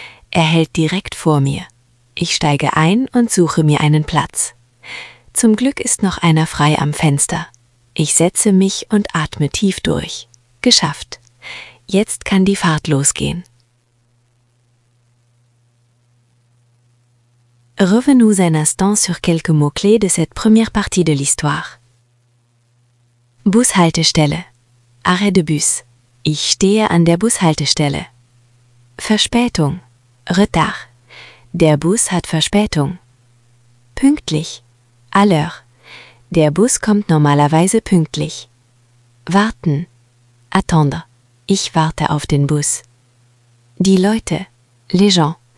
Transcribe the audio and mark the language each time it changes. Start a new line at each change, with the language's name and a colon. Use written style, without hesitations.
German: Er hält direkt vor mir. Ich steige ein und suche mir einen Platz. Zum Glück ist noch einer frei am Fenster. Ich setze mich und atme tief durch. Geschafft. Jetzt kann die Fahrt losgehen.
French: Revenons un instant sur quelques mots-clés de cette première partie de l'histoire.
German: Bushaltestelle.
French: Arrêt de bus.
German: Ich stehe an der Bushaltestelle. Verspätung. Retard. Der Bus hat Verspätung. Pünktlich.
French: À l'heure.
German: Der Bus kommt normalerweise pünktlich. Warten. Attendre. Ich warte auf den Bus. Die Leute.
French: Les gens.